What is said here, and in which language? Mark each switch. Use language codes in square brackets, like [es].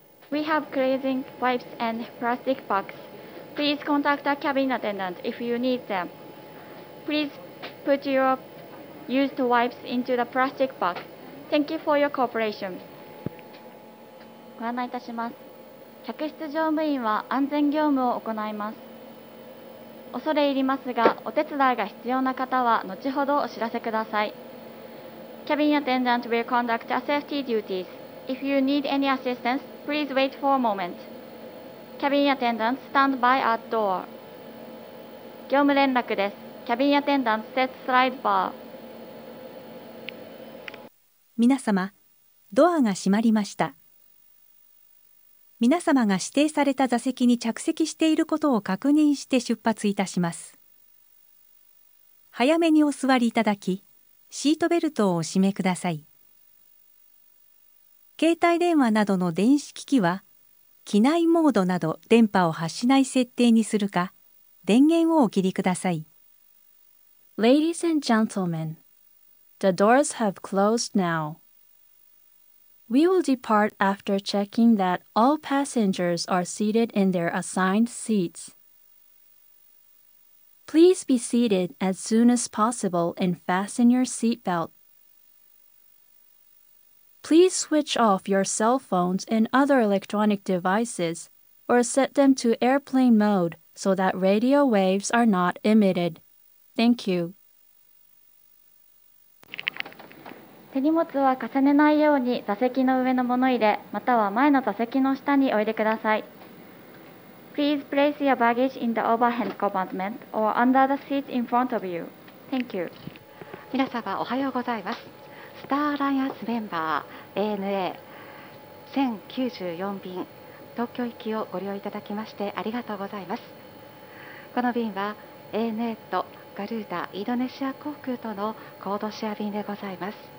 [en] We have cleansing wipes and plastic bags. Please contact a cabin attendant if you need them. Please put your used wipes into the plastic bag. Thank you for your cooperation. [ja] ご案内いたします。客室乗務員は安全業務を行います。恐れ入りますが、お手伝いが必要な方は後ほどお知らせください。 [en] Cabin attendant will conduct a safety duties. If you need any assistance,Please wait for a moment. Cabin attendant, stand by at door. [ja] 業務連絡です。 [en] Cabin attendant, set slide bar. [ja] 皆様、ドアが閉まりました。皆様が指定された座席に着席していることを確認して出発いたします。早めにお座りいただき、シートベルトをお締めください。携帯電話などの電子機器は、機内モードなど電波を発しない設定にするか、電源をお切りください。 [en] Ladies and gentlemen, the doors have closed now. We will depart after checking that all passengers are seated in their assigned seats. Please be seated as soon as possible and fasten your seat belt. Please switch off your cell phones and other electronic devices or set them to airplane mode so that radio waves are not emitted. Thank you. [ja] 手荷物は重ねないように座席の上の物入れまたは前の座席の下にお入れください。 [en] Please place your baggage in the overhead compartment or under the seat in front of you. Thank you. [ja] 皆様おはようございます。スターアライアンスメンバーANA 1094便東京行きをご利用いただきましてありがとうございます。この便は ANA とガルーダインドネシア航空とのコードシェア便でございます。